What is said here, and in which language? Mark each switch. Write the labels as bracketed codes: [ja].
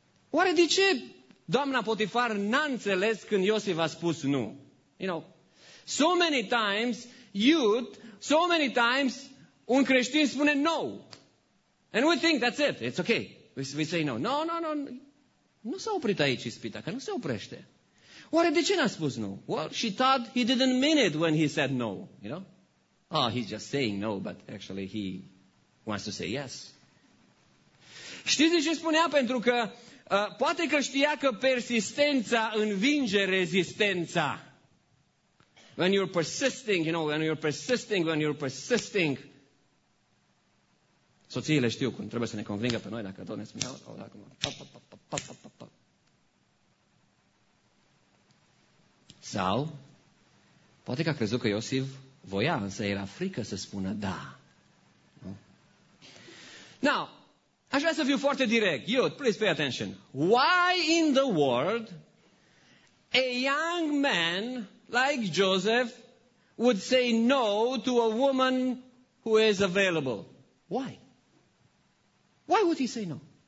[ro] Oare de ce doamna Potifar n-a înțeles când Iosif a spus nu? [en] You know, so many times youth, so many times [ro] un creștin spune [en] no. And we think that's it, it's okay. We say no. No. [ro] Nu s-a oprit aici ispita, că nu se oprește. Oare de ce n-a spus nu? [en] Well, she thought he didn't mean it when he said no, you know? Oh, he's just saying no, but actually he wants to say yes. [ro] Știți de ce spunea? Pentru că Poate că știa că persistența învinge rezistența. [en] When you're persisting, you know, when you're persisting, when you're persisting. [ro] Soțiile știu cum trebuie să ne convingă pe noi dacă doresc mi-au sau dacă mă... Sau, poate că a crezut că Iosif voia, însă era frică să spună da. [en] Now, [ro] aș vrea să fiu foarte direct. [en] You, please pay attention. Why in the world a young man like Joseph would say no to a woman who is available? Why? Why would he say no?